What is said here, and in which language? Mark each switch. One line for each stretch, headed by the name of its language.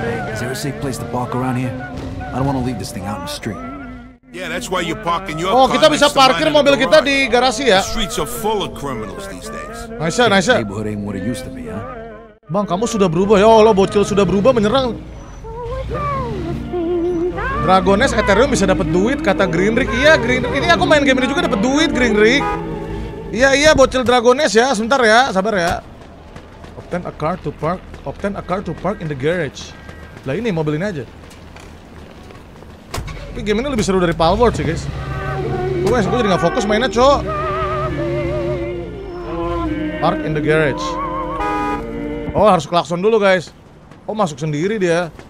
English: Is there a safe place to park around here? I don't want to leave this thing out in the street. Yeah, that's why you're parking your
Indonesian: car. Oh, kita bisa parkir mobil kita di garasi ya.
English: The streets are full of criminals these days. Nice. The neighborhood ain't what it used to be, huh?
Indonesian: Bang, kamu sudah berubah. Ya Allah, bocil sudah berubah menyerang. Dragones Ethereum bisa dapat duit kata Greenrick. Iya, Greenrick. Ini aku main game ini juga dapat duit, Greenrick. Iya, bocil Dragones ya. Sebentar ya, sabar ya.
English: Obtain a car to park in the garage.
Indonesian: Lah ini mobil ini aja. Tapi game ini lebih seru dari Palworld sih, guys. Gue jadi gak fokus mainnya, cok.
English: Park in the garage.
Indonesian: Oh, harus klakson dulu, guys. Oh, masuk sendiri dia.